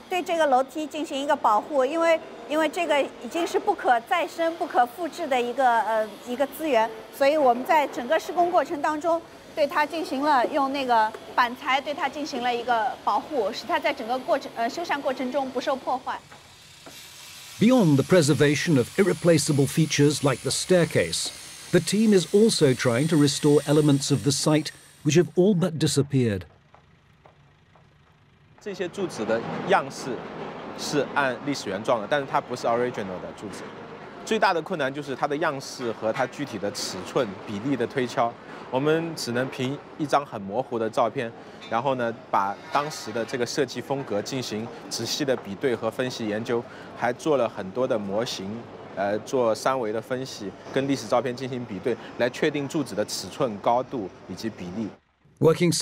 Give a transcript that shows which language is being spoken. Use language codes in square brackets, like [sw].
[zh] 这是我们这栋建筑得益最完整保留的大楼梯的部分，它的所有的台阶你们能看到都是由完整的，来自上海金山地区特产的那个花岗岩所制成的，整一个台阶就是一个完整的一个花岗岩的石阶，然后我们把这些部分都得以保留，包括台阶，包括它的扶手、栏杆的做法，为了对这个楼梯进行一个保护，因为。因为这个已经是不可再生、不可复制的一个资源，所以我们在整个施工过程当中，对它进行了用那个板材对它进行了一个保护，使它在整个修缮过程中不受破坏。Beyond [en] the preservation of irreplaceable features like the staircase, the team is also trying to restore elements of the site which have all but disappeared. [zh] 这些柱子的样式。是按历史原状的，但是它不是 original 的柱子。最大的困难就是它的样式和它具体的尺寸比例的推敲。我们只能凭一张很模糊的照片，然后呢，把当时的这个设计风格进行仔细的比对和分析研究，还做了很多的模型，做三维的分析，跟历史照片进行比对，来确定柱子的尺寸、高度以及比例。Working